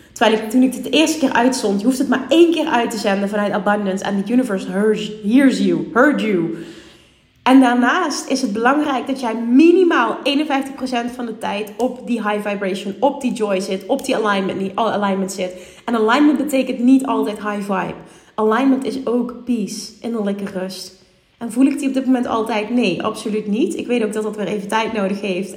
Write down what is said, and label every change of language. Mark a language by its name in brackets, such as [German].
[Dutch] Terwijl ik toen ik het de eerste keer uitzond, je hoeft het maar één keer uit te zenden vanuit abundance. [English] And the universe heard you. [Dutch] En daarnaast is het belangrijk dat jij minimaal 51% van de tijd op die high vibration, op die joy zit, op die alignment zit. En alignment betekent niet altijd high vibe. Alignment is ook peace, innerlijke rust. En voel ik die op dit moment altijd? Nee, absoluut niet. Ik weet ook dat dat weer even tijd nodig heeft.